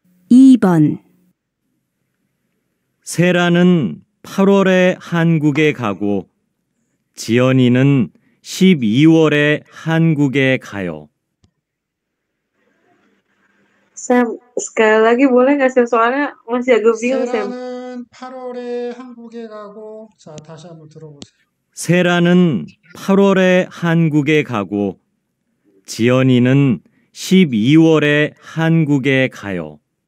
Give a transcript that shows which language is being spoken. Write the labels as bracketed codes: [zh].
[ko] 2번. 세라는 8월에 한국에 가고 지연이는 12월에 한국에 가요. [id] Sam, sekali lagi boleh nggak Sam? Soalnya masih agak bingung Sam. [ko] 세라는 8월에 한국에 가고. 자, 다시 한번 들어보세요. 세라는 8월에 한국에 가고 지연이는 12월에 한국에 가요.